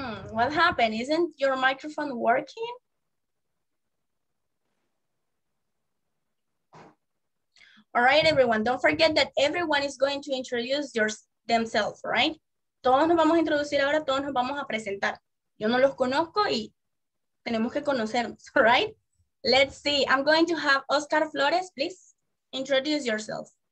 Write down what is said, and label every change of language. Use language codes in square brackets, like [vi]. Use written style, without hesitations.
[en] What happened? Isn't your microphone working? All right, everyone. Don't forget that everyone is going to introduce themselves, right? [es] Todos nos vamos a introducir ahora, todos nos vamos a presentar. Yo no los conozco y tenemos que conocernos, [en] all right? Let's see. I'm going to have Oscar Flores, please introduce yourself.